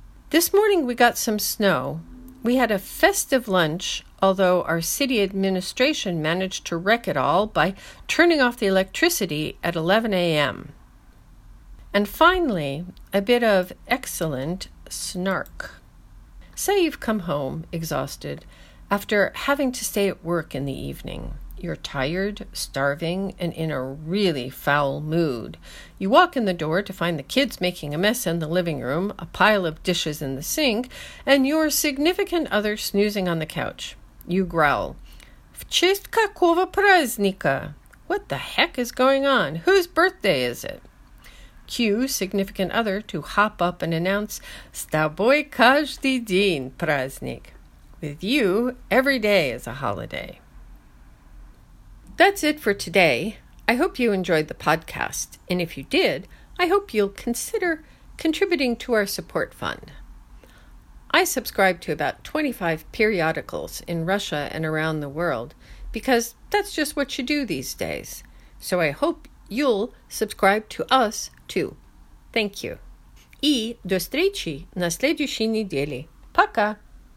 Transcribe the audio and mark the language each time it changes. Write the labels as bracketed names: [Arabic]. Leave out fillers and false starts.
[English] This morning we got some snow. We had a festive lunch, although our city administration managed to wreck it all by turning off the electricity at 11 a.m. And finally, a bit of excellent snark. Say you've come home, exhausted, after having to stay at work in the evening. You're tired, starving, and in a really foul mood. You walk in the door to find the kids making a mess in the living room, a pile of dishes in the sink, and your significant other snoozing on the couch. You growl, [Russian] «В честь какого праздника?» [English] «What the heck is going on? Whose birthday is it?» Cue significant other to hop up and announce, [Russian] «С тобой каждый день праздник!» [English] «With you, every day is a holiday!» That's it for today. I hope you enjoyed the podcast, and if you did, I hope you'll consider contributing to our support fund. I subscribe to about 25 periodicals in Russia and around the world because that's just what you do these days. So I hope you'll subscribe to us too. Thank you. [Russian] И до встречи на следующей неделе. Пока!